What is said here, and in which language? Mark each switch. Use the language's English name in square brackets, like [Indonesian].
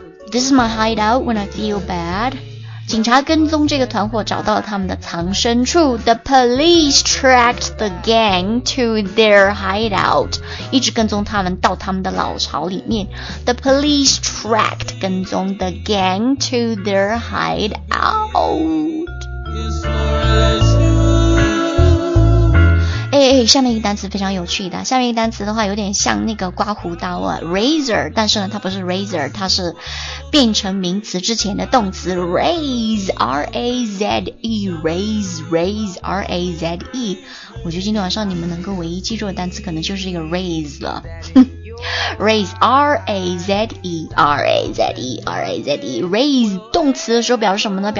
[English] This is my hideout when I feel bad. [Chinese] 警察跟踪这个团伙找到了他们的藏身处。 [English] The police tracked the gang to their hideout. [Chinese] 一直跟踪他们到他们的老巢里面。 [English] The police tracked [Chinese] 跟踪 [English] the gang to their hideout. [Chinese] Hey, 下面一个单词非常有趣的，下面一个单词的话有点像那个刮胡刀啊 razor, 但是呢它不是 razor, 它是变成名词之前的动词 raise, R-A-Z-E, raise, raise, R-A-Z-E, 我觉得今天晚上你们能够唯一记住的单词可能就是一个 raise 了raise, R-A-Z-E, R-A-Z-E, R-A-Z-E, raise, 动词的时候表示什么呢？